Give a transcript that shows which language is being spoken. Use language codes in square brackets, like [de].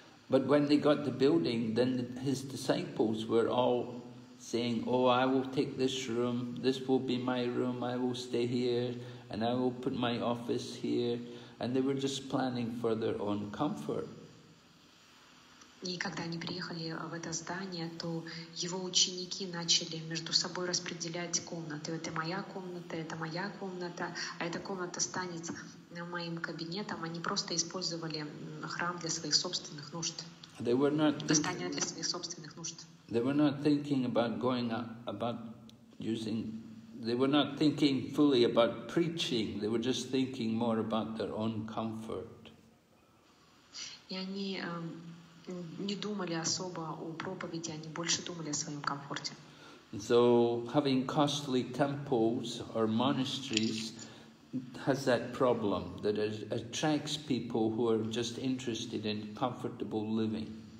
[en] But when they got the building, then his disciples were all saying, oh, I will take this room, this will be my room, I will stay here, and I will put my office here. And they were just planning for their own comfort. [ru] И когда они приехали в это здание, то его ученики начали между собой распределять комнаты. Это моя комната, а эта комната станет моим кабинетом. Они просто использовали храм для своих собственных нужд. Достание для своих собственных нужд. [en] They were not thinking about going up, about using, they were not thinking fully about preaching. They were just thinking more about their own comfort. [ru] И они не думали особо о проповеди, они больше думали о своем комфорте. [en] So having costly temples or monasteries has that problem that attracts people who are just interested in comfortable living.